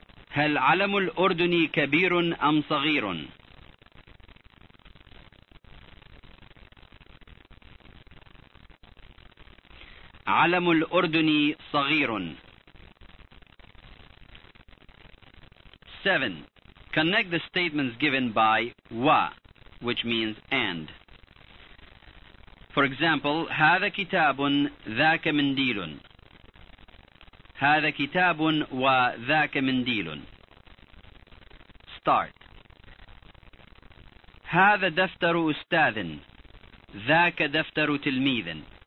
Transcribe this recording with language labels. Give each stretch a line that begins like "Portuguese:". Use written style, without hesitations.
Arabic: هل علم الأردن كبير أم صغير؟ علم الأردن صغير.
English: 7. Connect the statements given by wa, which means and. For example,
Arabic: هذا كتاب ذاك منديل. هذا كتاب وذاك منديل.
English: Start.
Arabic: هذا دفتر أستاذ. ذاك دفتر تلميذ.